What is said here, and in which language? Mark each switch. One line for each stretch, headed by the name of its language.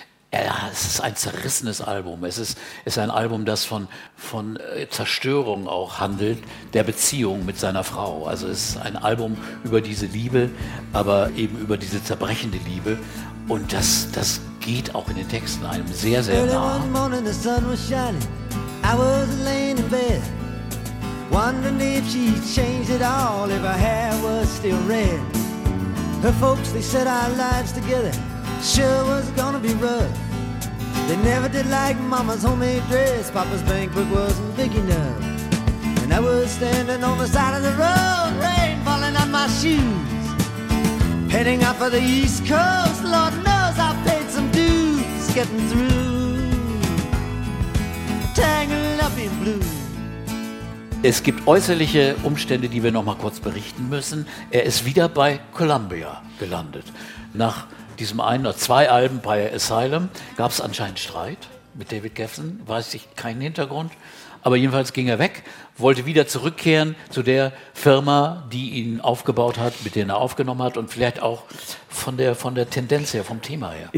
German: Es ist ein zerrissenes Album. Es ist ein Album, das von Zerstörung auch handelt, der Beziehung mit seiner Frau. Also es ist ein Album über diese Liebe, aber eben über diese zerbrechende Liebe. Und das geht auch in den Texten einem sehr, sehr nah.
English: Early one morning the sun was shining, I was laying in bed, wondering if she'd change it all, if her hair was still red. Her folks, they said our lives together sure was gonna be rough. They never did like mama's homemade dress, papa's bank book wasn't big enough. And I was standing on the side of the road, rain falling on my shoes, heading out for the East Coast. Lord knows I paid some dues getting through, tangled up in blue.
German: Es gibt äußerliche Umstände, die wir noch mal kurz berichten müssen. Er ist wieder bei Columbia gelandet. Nach diesem einen oder zwei Alben bei Asylum gab es anscheinend Streit mit David Geffen. Weiß ich keinen Hintergrund. Aber jedenfalls ging er weg, wollte wieder zurückkehren zu der Firma, die ihn aufgebaut hat, mit der er aufgenommen hat und vielleicht auch von der Tendenz her, vom Thema her.